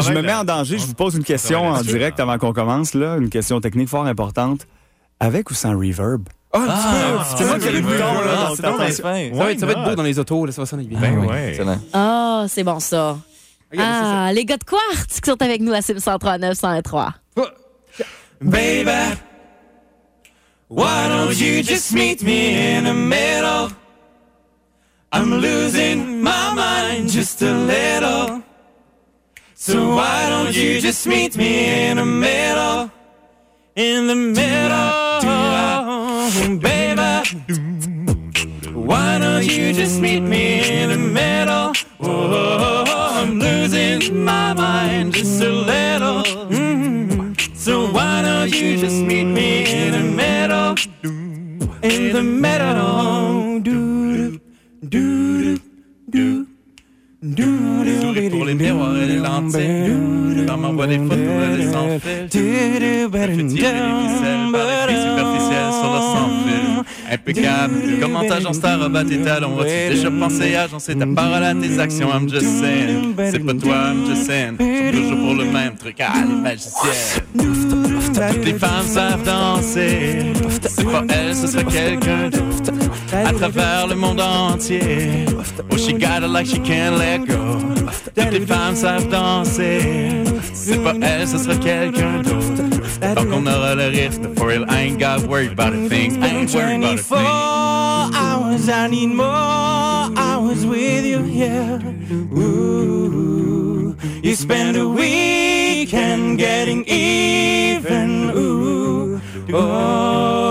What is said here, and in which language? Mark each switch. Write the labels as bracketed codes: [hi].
[fr] Je me mets en danger. Je vous pose une question en direct avant qu'on commence. Là, une question technique fort importante. Avec ou sans reverb? Ça va être beau dans les autos. Là, ça va sonner bien. Oh, c'est bon ça. Ah, les gars de Quartz qui sont avec nous à 103-903. [en] Baby, why don't you just meet me in the middle? I'm losing my mind just a little. So why don't you just meet me in the middle? In the middle. Baby, why don't you just meet me in the middle? Whoa, I'm losing my mind just a little. So why don't you just meet me in the middle? In the middle. Do do do do do do do do do do do do do do do do do do do do do do do do do do do do do do do do do do do do do do do do do do do do do. [fr] Impeccable. Comment ta jante star rebat tes talons? Vois-tu déjà pensé à agencer ta parole à tes actions? [en] I'm just saying. [fr] C'est pas toi, [en] I'm just saying. [fr] Toujours pour le même truc. Ah, les magiciennes. Toutes les femmes savent danser. C'est pas elle, ce serait quelqu'un d'autre. À travers le monde entier. [en] Oh, she got it like she can't let go. [fr] Toutes les femmes savent danser. C'est pas elle, ce serait quelqu'un d'autre. Tant qu'on aura le rythme, [en] for real, I ain't got worried about a thing. I ain't worried about a thing. 24 hours, I need more hours with you, yeah. Ooh, you spend a weekend getting even. Ooh, oh.